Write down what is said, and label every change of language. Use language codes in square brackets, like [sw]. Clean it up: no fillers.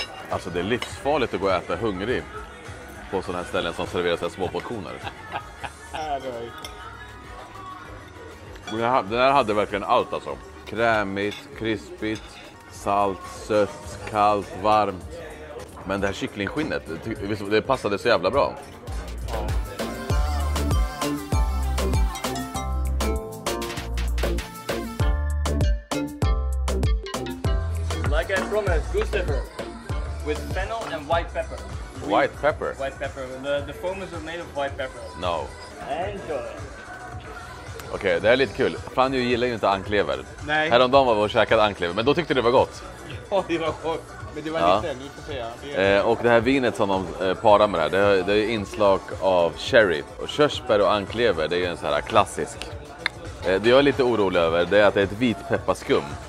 [sv] Alltså det är livsfarligt att gå och äta hungrig på sådana här ställen som serverar sådana små portioner. Den här hade verkligen allt alltså. Krämigt, krispigt, salt, sött, kallt, varmt. Men det här kycklingskinnet, det passade så jävla bra. [en] Like I promised, goose pepper with fennel and white pepper. White pepper? White pepper. The foam is made of white pepper. No. Enjoy. [sv] Okej, det här är lite kul. Fan, jag gillar ju inte anklever. Nej. Häromdagen var vi och käkade anklever, men då tyckte det var gott. Ja, det var gott. Men det var ja. Lite, nu ska jag säga. Och det här vinet som de parar med det här, det är inslag av sherry. Och körsbär och anklever, det är ju en så här klassisk. Det jag är lite orolig över, det är att det är ett vitpepparskum.